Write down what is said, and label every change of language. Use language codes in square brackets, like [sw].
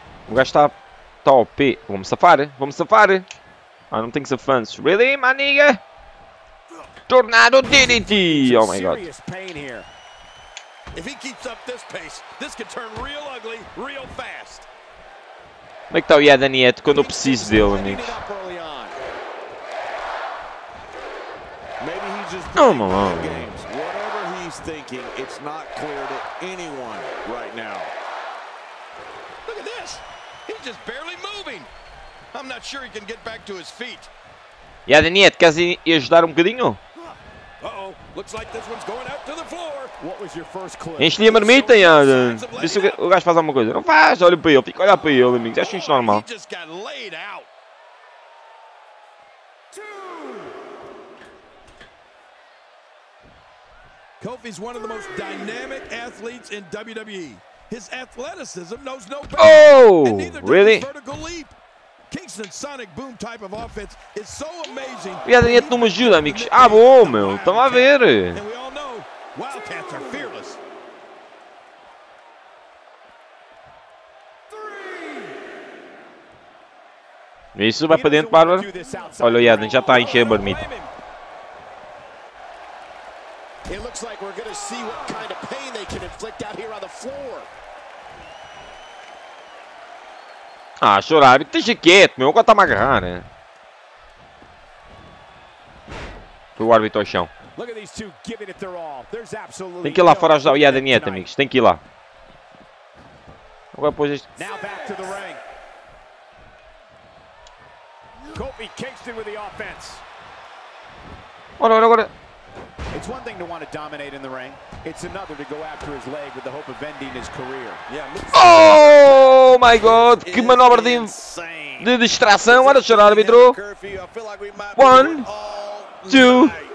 [pt] O gajo está top. Vamos safar, vamos safar. [en] I don't think so, fans. Really, my nigga? Tornado DDT! Oh my god. If he keeps up this pace, this could turn real ugly, real fast. [pt] Como é que tá o Yadaniette quando eu preciso dele, amigos? [en] Maybe he's just playing games. Whatever he's thinking, it's not clear to anyone right now. Look at this! He's just barely moving! I'm not sure he can get back to his feet. [pt] Yeah, Danette, queres ajudar um bocadinho? [en] Uh-oh, looks like this one's going out to the floor. What was your first clip? [pt] Enche-lhe a marmita, Yadan. Vê se o gajo faz alguma coisa. Não faz, olha para ele, fica olhar para ele, amigos. Acho isto normal. [en] He just got laid out. Kofi's one of the most dynamic athletes in WWE. His athleticism knows no bounds. Oh, really? Kingston Sonic Boom type of offense is so amazing. [pt] E a Danette não me ajuda, amigos. Ah, bom, meu. Estão a ver. [en] And we all know Wildcats are fearless. [pt] Isso vai para dentro, Bárbara. Olha, o Yadan já está a encher a marmita. [en] It looks like we're going to see what kind of pain they can inflict out here on the floor. [pt] Ah, chorar, esteja quieto, meu. Agora está-me a agarrar, né? Foi o árbitro ao chão. [en] Look at these two giving it their all. There's absolutely. [pt] Tem que ir lá fora ajudar o Iadanieta, amigos. Tem que ir lá. Agora depois este. [en] Now back to the ring. Kofi Kingston with the offense. [pt] Agora. [en] It's one thing to want to dominate in the ring. It's another to go after his leg with the hope of ending his career. Yeah, oh my God! [pt] Que manobra de distração! Olha o árbitro. [en] One, two.